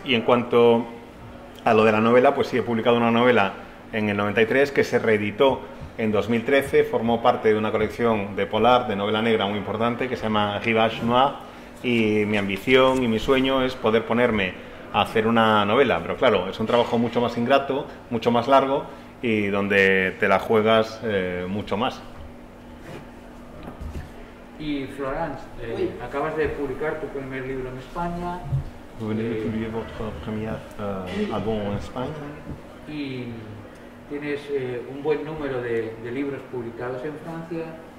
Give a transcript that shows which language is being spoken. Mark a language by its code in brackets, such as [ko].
[es] Y en cuanto a lo de la novela, pues sí, he publicado una novela en el 93 que se reeditó en 2013, formó parte de una colección de polar, de novela negra muy importante, que se llama Rivage Noir, y mi ambición y mi sueño es poder ponerme a hacer una novela. Pero claro, es un trabajo mucho más ingrato, mucho más largo, y donde te la juegas mucho más. Y Florence, acabas de publicar tu primer libro en España. [fr] Vous venez de publier votre premier album en España. [es] Y tienes un buen número de libros publicados en Francia.